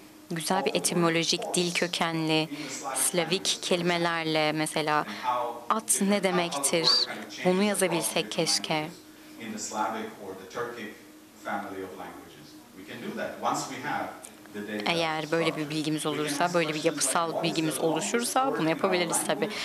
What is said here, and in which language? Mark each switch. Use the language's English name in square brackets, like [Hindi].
[Turkish] Güzel bir etimolojik, dil kökenli, Slavik kelimelerle mesela at ne demektir? Bunu yazabilsek keşke. [English] In the Slavic or the Turkic family of languages. We can do that once we have [Turkish] Eğer böyle bir bilgimiz olursa, böyle bir yapısal bilgimiz oluşursa bunu yapabiliriz tabii.